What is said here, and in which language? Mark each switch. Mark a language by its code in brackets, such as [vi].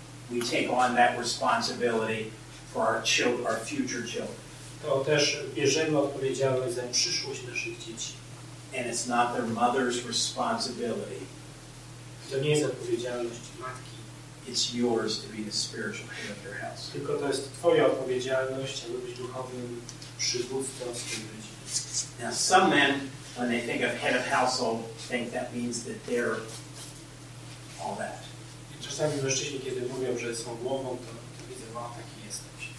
[en] we take on that responsibility for our children, our future children. [pl] To też bierzemy odpowiedzialność za przyszłość naszych dzieci. [en] And it's not their mother's responsibility. [pl] To nie jest odpowiedzialność matki. [en] It's yours to be the spiritual head of your house. [pl] Tylko to jest twoja odpowiedzialność, aby być duchowym przywódcą w tym rodzinie. [en] Now some men, when they think of head of household, think that means that they're all that. [pl] Czasami mężczyźni, kiedy mówią, że są głową, to widzę, że taki jestem.